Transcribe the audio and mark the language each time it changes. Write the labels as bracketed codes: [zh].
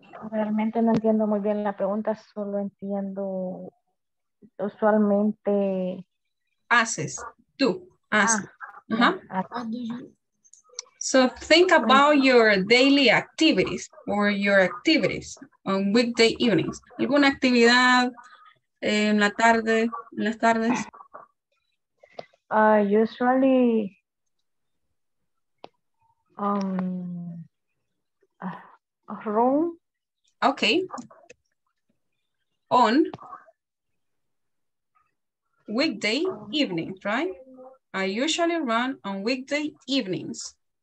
[es] Realmente no entiendo muy bien la pregunta, solo entiendo usualmente. Haces, tú, haces. [en] So think about your daily activities or your activities on weekday evenings. [es] ¿Alguna actividad en la tarde, en las tardes? [en] Usually, okay, on weekday evenings, right? I usually run on weekday evenings.